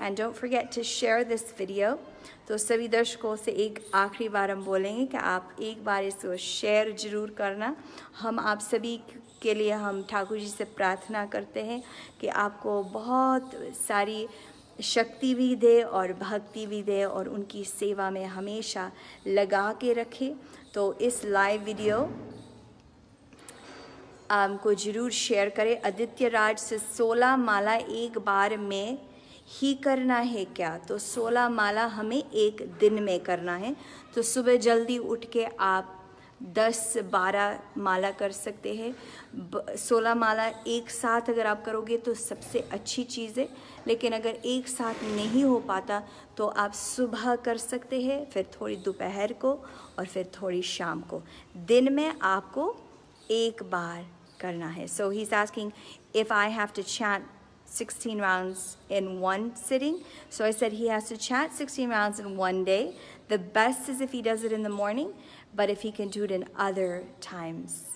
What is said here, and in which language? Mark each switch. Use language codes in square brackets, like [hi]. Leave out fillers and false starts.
[en] And don't forget to share this video. [hi] तो सभी दर्शकों से एक आखिरी बार हम बोलेंगे कि आप एक बार इसको शेयर जरूर करना। हम आप सभी के लिए हम ठाकुर जी से प्रार्थना करते हैं कि आपको बहुत सारी शक्ति भी दे और भक्ति भी दे और उनकी सेवा में हमेशा लगा के रखे। तो इस लाइव वीडियो को जरूर शेयर करें। आदित्य राज से 16 माला एक बार में ही करना है क्या? तो 16 माला हमें एक दिन में करना है। तो सुबह जल्दी उठ के आप 10-12 माला कर सकते हैं। 16 माला एक साथ अगर आप करोगे तो सबसे अच्छी चीज़ है, लेकिन अगर एक साथ नहीं हो पाता तो आप सुबह कर सकते हैं, फिर थोड़ी दोपहर को और फिर थोड़ी शाम को। दिन में आपको एक बार करना है। [en] So he's asking if I have to chant 16 rounds in one sitting. So I said he has to chant 16 rounds in one day. The best is if he does it in the morning, but if he can do it in other times.